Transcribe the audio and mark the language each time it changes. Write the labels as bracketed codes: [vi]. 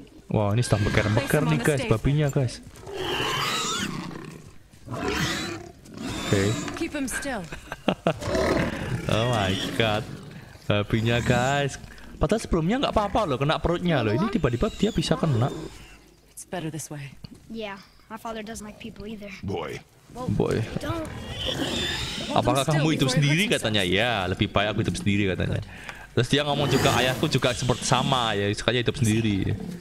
[id] Wah, wow, ini sedang beker-beker nih guys, babinya guys. Oke. Okay. [en] Oh my god. [id] Babinya guys. Padahal sebelumnya enggak apa-apa loh, kena perutnya loh. Ini tiba-tiba dia bisa kena. [en] It's better this way. Yeah, my father doesn't like people either. Boy. Boy. [id] Apakah kamu hidup sendiri katanya? Ya, lebih baik aku hidup sendiri katanya. Terus dia ngomong juga ayahku juga seperti sama ya, sukanya hidup sendiri.